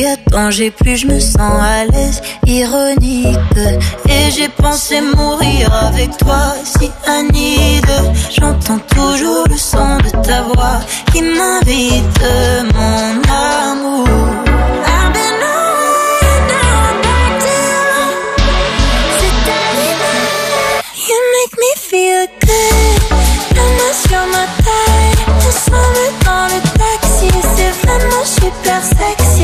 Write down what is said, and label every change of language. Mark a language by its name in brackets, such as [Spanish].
[French] Danger, plus je me sens à l'aise, ironique. Et j'ai pensé mourir avec toi, cyanide. J'entends toujours le son de ta voix qui m'invite, mon amour. [English] I've been away, now I'm back to you. [French] C'est terrible. [English] You make me feel good. [French] La main sur ma taille, on s'en va dans le taxi. C'est vraiment super sexy.